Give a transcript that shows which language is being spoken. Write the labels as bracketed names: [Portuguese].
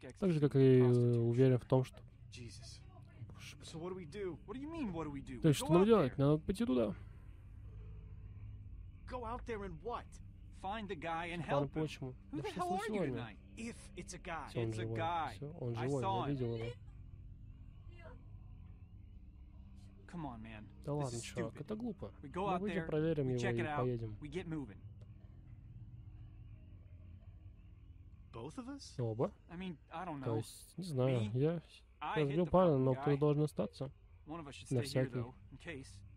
[Russian] Так же, как и уверен в том, что... [English] Jesus. So what do we do? What do you mean, what do we do? [Russian] То есть, что нам делать? Надо пойти туда. [English] Go out there and what? Find the guy and help him. Who the hell are you tonight? If it's a guy. It's a guy. I saw him. Come on, man. [Russian] Да ладно, чувак, это глупо. Мы выйдем, проверим его и поедем. [English] We get moving. Both of us? [Russian] Оба. [English] I mean, I don't know. [Russian] То есть, не знаю, я разбил парня, но кто должен остаться? [English] One of us should stay here, though, in case.